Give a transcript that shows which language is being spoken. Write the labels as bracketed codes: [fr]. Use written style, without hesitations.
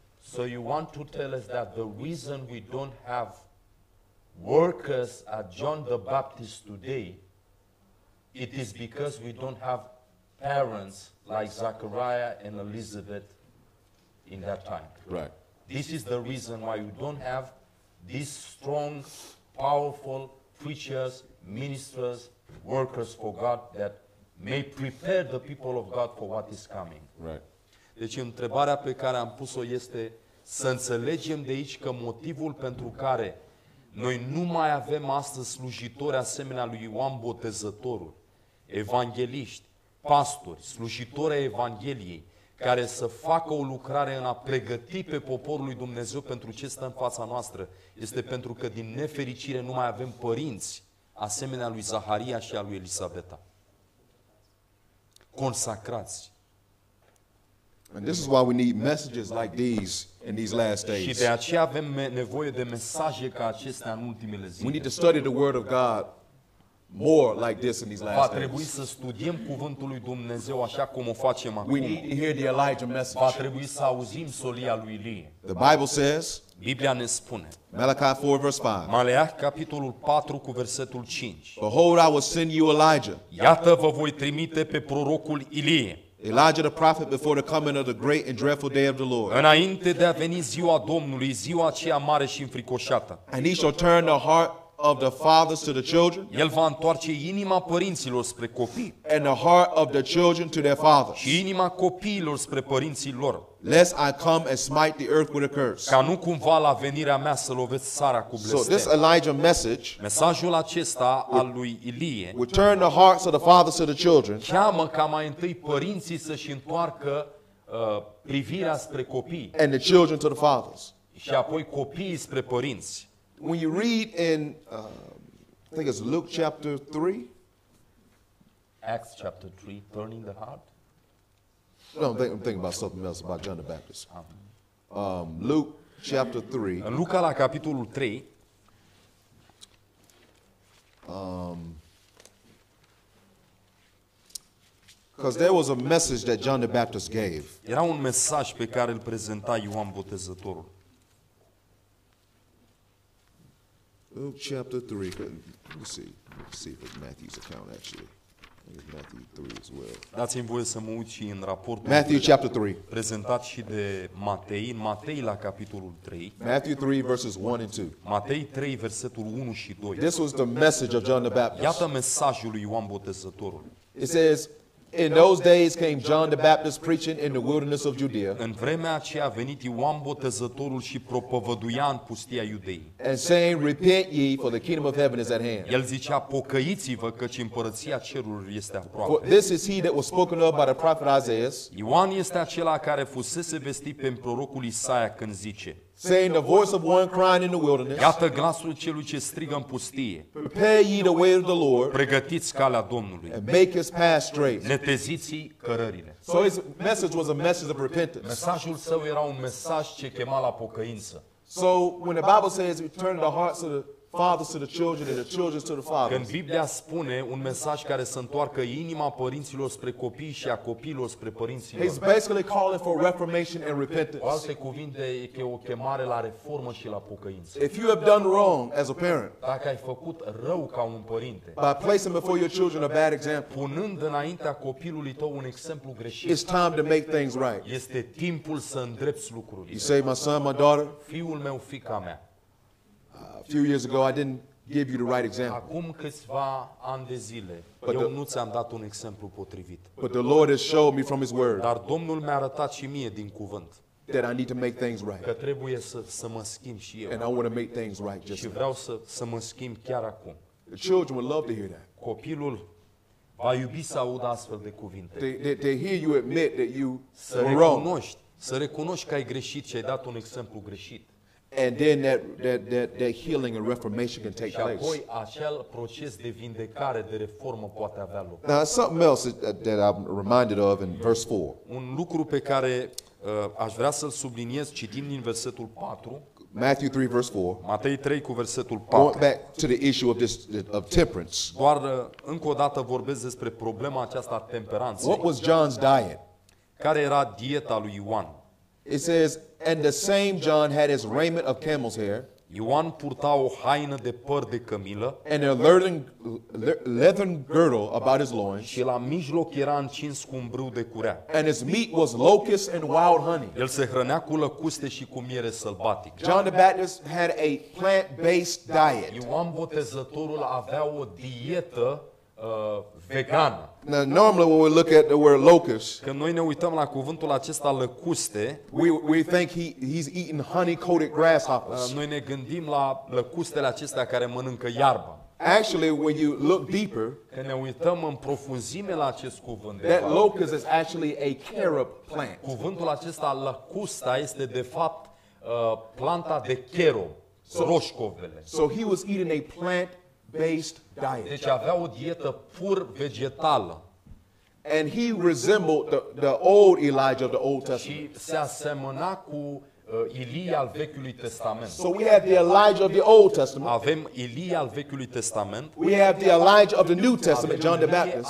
[en] So you want to tell us that the reason we don't have workers at John the Baptist today, it is because we don't have parents like Zachariah and Elizabeth in that time. Right. This is the reason why you don't have these strong, powerful preachers, ministers, workers for God that may prepare the people of God for what is coming. Right. [ro] Deci întrebarea pe care am pus-o este să înțelegem de aici că motivul pentru care noi nu mai avem astăzi slujitori asemenea lui Ioan Botezătorul, evangheliști, pastori, slujitori ai Evangheliei, care să facă o lucrare în a pregăti pe poporul lui Dumnezeu pentru ce stă în fața noastră, este pentru că din nefericire nu mai avem părinți asemenea lui Zaharia și a lui Elisabeta. Consacrați. [en] And this is why we need messages like these in these last days. [ro] Și de aceea avem nevoie de mesaje ca acestea în ultimele zile. [en] We need to study the word of God more like this in these last days. [ro] Va trebui să studiem cuvântul lui Dumnezeu așa cum o facem acum. [en] We need to hear the Elijah message. [ro] Va trebui să auzim solia lui Ilie. [en] The Bible says, [ro] Biblia ne spune, [en] Malachi 4 verse 5. [ro] Maleahi capitolul 4 cu versetul 5. [en] Behold, I will send you Elijah. [ro] Iată, vă voi trimite pe prorocul Ilie. [en] Elijah the prophet before the coming of the great and dreadful day of the Lord. [ro] Înainte de a veni ziua Domnului, ziua aceea mare și înfricoșată. [en] And he shall turn the heart of the fathers to the children. [ro] El va întoarce inima părinților spre copii. [en] And the heart of the children to their fathers. [ro] Și inima copiilor spre părinții lor. [en] Lest I come and smite the earth with a curse. [ro] Ca nu cumva la venirea mea să lovesc țara cu blestem. [en] So this Elijah message. [ro] Mesajul acesta al lui Ilie. [en] Will turn the hearts of the fathers to the children. [ro] Cheamă ca mai întâi părinții să își întoarcă privirea spre copii. [en] And the children to the fathers. [ro] Și apoi copiii spre părinți. [en] When you read in I think it's Luke chapter 3. Acts chapter 3, turning the heart. No, I'm thinking about something else, about John the Baptist. Luke chapter 3. [ro] Luca la capitolul 3. [en] Because there was a message that John the Baptist gave. [ro] Era un mesaj pe care îl prezenta Ioan Botezătorul. [en] Luke chapter 3. Let's see if it's Matthew's account actually. Matthew 3 as well. [ro] Dați-mi voie să mă uit și în raportul [en] Matthew chapter 3. [ro] Prezentat și de Matei, în Matei la capitolul 3. [en] Matthew 3 verses 1 and 2. [ro] Matei 3 versetul 1 și 2. [en] This was the message of John the Baptist. [ro] Iată mesajul lui Ioan Botezătorul. [en] It says, in those days came John the Baptist preaching in the wilderness of Judea. [ro] În vremea aceea a venit Ioan Botezătorul și propovăduia în pustia Iudeii. [en] And saying, repent ye, for the kingdom of heaven is at hand. [ro] El zicea, pocăiți-vă, căci împărăția cerurilor este aproape. [en] For this is he that was spoken of by the prophet Isaiah. [ro] Ioan este acela care fusese vestit prin prorocul Isaia când zice, [en] saying the voice of one crying in the wilderness. [ro] Iată glasul celui ce strigă în pustie. [en] Prepare ye the way of the Lord. [ro] Pregătiți calea Domnului. [en] And make his path straight. [ro] Neteziți cărările. [en] So his message was a message of repentance. [ro] Mesajul său era un mesaj ce chema la pocăință. [en] So when the Bible says we turn the hearts of the fathers to the children and the children to the fathers. [ro] Când Biblia spune un mesaj care să întoarcă inima părinților spre copii și a copiilor spre părinții lor. [en] He's basically calling for reformation and repentance. [ro] Cu alte cuvinte, e că o chemare la reformă și la pocăință. [en] If you have done wrong as a parent. [ro] Dacă ai făcut rău ca un părinte. [en] By placing before your children a bad example. [ro] Punând înaintea copilului tău un exemplu greșit. [en] It's time to make things right. [ro] Este timpul să îndrepți lucrurile. [en] You say, my son, my daughter. [ro] Fiul meu, fiica mea. [en] A few years ago, I didn't give you the right example. [ro] Acum câțiva ani de zile, [en] but [ro] eu nu ți-am dat un exemplu potrivit. [en] But the Lord has shown me from His Word. [ro] Dar Domnul mi-a arătat și mie din cuvânt. [en] That I need to make things right. [ro] Că trebuie să mă schimb și eu. [en] And I want to make things right just now. [ro] Și vreau să mă schimb chiar acum. [en] The children would love to hear that. [ro] Copilul va iubi să audă astfel de cuvinte. [en] They hear you admit that you were wrong. [ro] Să recunoști că ai greșit și ai dat un exemplu greșit. [en] And then that healing and reformation can take place. [ro] Și apoi acel proces de vindecare, de reformă poate avea loc. [en] Now something else that I'm reminded of in verse 4. [ro] Un lucru pe care aș vrea să-l subliniez, citim din versetul 4. [en] Matthew 3 verse 4. [ro] Matei 3 cu versetul 4. [en] Going back to the issue of temperance. [ro] Doar încă o dată vorbesc despre problema aceasta a temperanței. [en] What was John's diet? [ro] Care era dieta lui Ioan? [en] It says, and the same John had his raiment of camel's hair. [ro] Ioan purta o haină de păr de cămilă. [en] And a leathern girdle about his loins. [ro] Și la mijloc era încins cu un brâu de curea. [en] And his meat was locust and wild honey. [ro] El se hrănea cu lăcuste și cu miere sălbatic. [en] John the Baptist had a plant-based diet. [ro] Ioan Botezătorul avea o dietă vegan. [en] Now, normally when we look at the word locust, [ro] când noi ne uităm la cuvântul acesta lăcuste, [en] we think he's eating honey-coated grasshoppers. [ro] Noi ne gândim la lăcustele acestea care mănâncă iarbă. [en] Actually, when you look deeper, [ro] când ne uităm în profunzime la acest cuvânt, [en] that locust is actually a carob plant. [ro] Cuvântul acesta lăcusta este de fapt planta de cherub, roșcovele. [en] So he was eating a plant-based diet. [ro] Deci avea o dietă pur vegetală. [en] And he resembled the old Elijah of the Old Testament. [ro] Și se asemăna cu Ilie al Vechiului Testament. [en] So we have the Elijah of the Old Testament. [ro] Avem Ilie al Vechiului Testament. [en] We have the Elijah of the New Testament, John the Baptist.